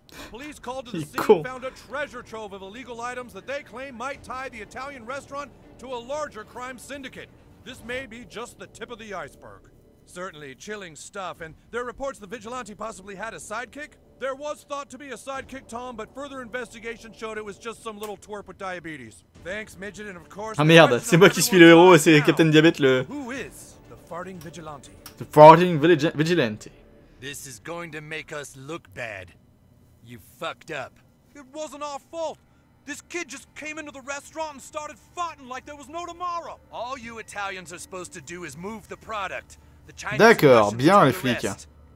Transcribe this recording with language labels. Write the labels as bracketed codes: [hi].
[en] Police called to the scene and found a treasure trove of illegal items that they claim might tie the Italian restaurant to a larger crime syndicate. This may be just the tip of the iceberg. Certainly chilling stuff, and there are reports the vigilante possibly had a sidekick? There was thought to be a sidekick, Tom, but further investigation showed it was just some little twerp with diabetes. Thanks, midget, and of course... [fr] Ah merde, c'est moi qui suis le héros et c'est Captain Diabète le... [en] Who is the farting vigilante? The farting vigilante. This is going to make us look bad. You fucked up. It wasn't our fault. This kid just came into the restaurant and started farting like there was no tomorrow. All you Italians are supposed to do is move the product. The [fr] Chinese D'accord, bien les flics.